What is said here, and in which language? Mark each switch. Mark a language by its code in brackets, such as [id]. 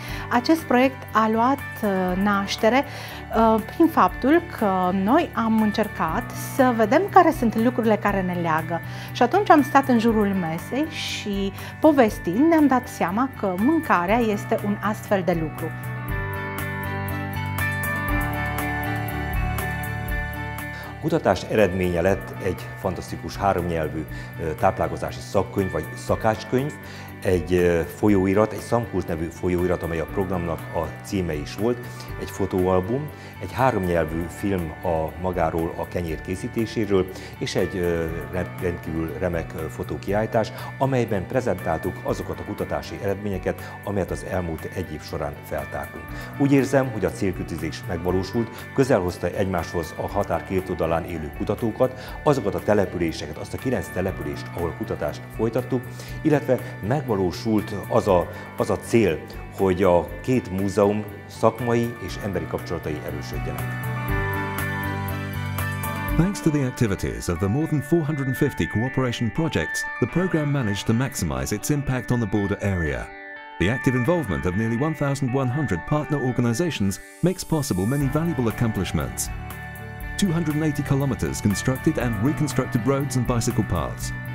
[ro] Acest proiect a luat naștere prin faptul că noi am încercat să vedem care sunt lucrurile care ne leagă. Și atunci am stat în jurul mesei și, povestind, ne-am dat seama că mâncarea este un astfel de lucru. [hu] Kutatás eredménye lett egy fantasztikus háromnyelvű táplálkozási szakkönyv, vagy szakácskönyv, egy folyóirat, egy SAMCULT nevű folyóirat, amely a programnak a címe is volt, egy fotóalbum, egy háromnyelvű film a magáról a kenyér készítéséről, és egy rendkívül remek fotókiállítás, amelyben prezentáltuk azokat a kutatási eredményeket, amelyet az elmúlt egy év során feltártunk. Úgy érzem, hogy a célkitűzés megvalósult, közel hozta egymáshoz a határ két oldalán élő kutatókat, azokat a településeket, azt a 9 települést, ahol a kutatást folytattuk, illetve megvalósult az a cél, hogy a két múzeum szakmai és emberi kapcsolatai erősödjenek. [en] Thanks to the activities of the more than 450 cooperation projects, the program managed to maximize its impact on the border area. The active involvement of nearly 1,100 partner organizations makes possible many valuable accomplishments. 280 kilometers constructed and reconstructed roads and bicycle paths.